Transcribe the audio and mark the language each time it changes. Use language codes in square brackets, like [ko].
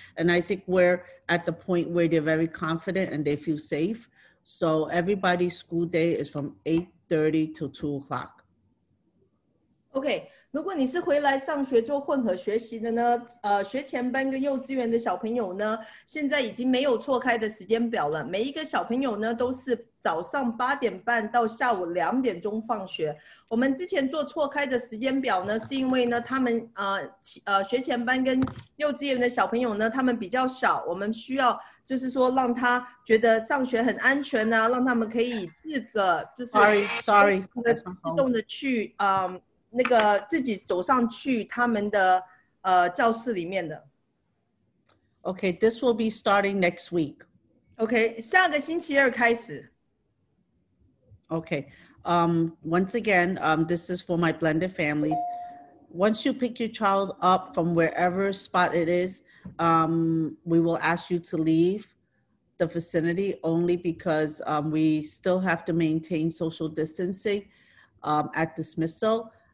[en] And I think we're at the point where they're very confident and they feel safe. So everybody's school day is from 8:30 to 2 o'clock. Okay. [zh] 如果你是回来上学做混合学习的呢，学前班跟幼稚园的小朋友呢，现在已经没有错开的时间表了。每一个小朋友呢，都是早上8:30到下午2点钟放学。我们之前做错开的时间表呢，是因为呢，他们学前班跟幼稚园的小朋友呢，他们比较少，我们需要就是说让他觉得上学很安全啊，让他们可以自个就是 [en] sorry [zh] 自动的去那个自己走上去他们的教室里面的。 [en] Okay, this will be starting next week. [zh] Okay, 下个星期二开始。 [en] Okay, once again, this is for my blended families. Once you pick your child up from wherever spot it is, we will ask you to leave the vicinity only because we still have to maintain social distancing at dismissal.